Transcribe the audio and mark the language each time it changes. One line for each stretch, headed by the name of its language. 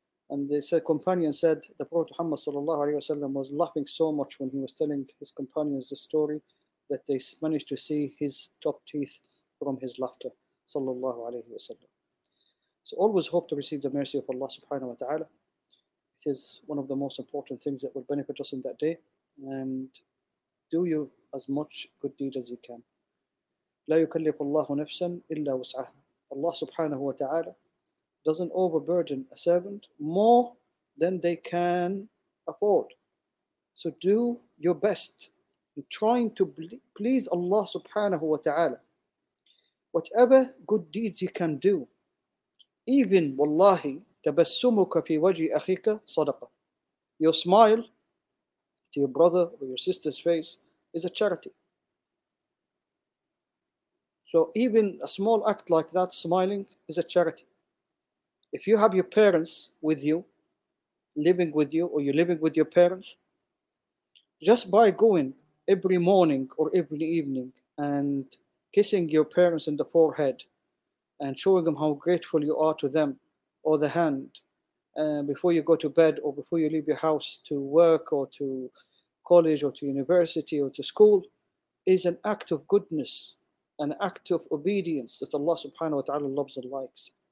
English: And the companion said, the Prophet Muhammad sallallahu alayhi wa sallam was laughing so much when he was telling his companions the story that they managed to see his top teeth from his laughter, sallallahu alayhi wa sallam. So always hope to receive the mercy of Allah subhanahu wa ta'ala. It is one of the most important things that will benefit us in that day. And do you as much good deed as you can.
Arabic: لا يكلف الله نفسا إلا وسعها.
English: Allah subhanahu wa ta'ala doesn't overburden a servant more than they can afford. So do your best in trying to please Allah subhanahu wa ta'ala. Whatever good deeds you can do, even wallahi
Arabic: تبسمك في وجه أخيك صدقة.
English: Your smile to your brother or your sister's face is a charity. So even a small act like that, smiling, is a charity. If you have your parents with you, living with you, or you're living with your parents, just by going every morning or every evening and kissing your parents in the forehead and showing them how grateful you are to them, or the hand, before you go to bed or before you leave your house to work or to college or to university or to school, is an act of goodness, an act of obedience that Allah subhanahu wa ta'ala loves and likes.